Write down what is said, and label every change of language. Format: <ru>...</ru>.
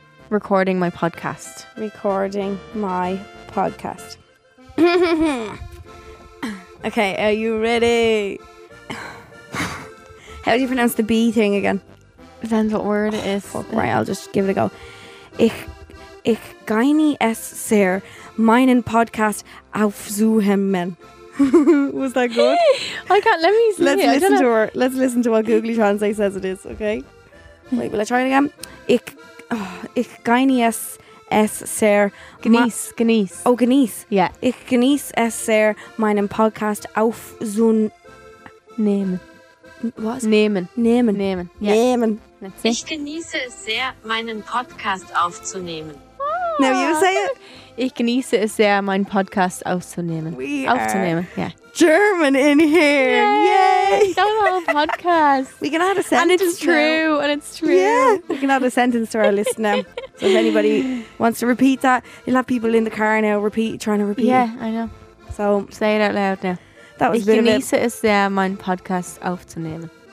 <en>Recording my podcast. Recording my podcast. Okay, are you ready? How do you pronounce the B thing again? Depends what word it is. Fuck, right, I'll just give it a go.</en> <de>Ich geine es sehr, meinen Podcast aufzuhemmen.</de> <en>Was that good? I can't, let me see. Let's listen to her. Let's listen to what Googly Translate says it is, okay? Wait, will I try it again?</en> <de>Ich geine es sehr. Genieß. Oh, genieß.</de> <en>Yeah.</en> <de>Ich genieß es sehr meinen Podcast auf so nehmen.</de> <en>What?</en> <de>Nehmen. Yeah. Nehmen. Ich genieße es sehr, meinen Podcast aufzunehmen.</de> <en>Oh. Now you say it.</en> <de>Ich genieße es sehr, meinen Podcast aufzunehmen.</de> <en>Yeah. German in here. Yay. That was our podcast. We can add a sentence. And it's true. Now. And it's true. Yeah. We can add a sentence to our list now. So if anybody wants to repeat that, you'll have people in the car now trying to repeat. Yeah, it. I know. So say it out loud now. That was</en> <de>ich genieße es sehr, meinen Podcast aufzunehmen.</de>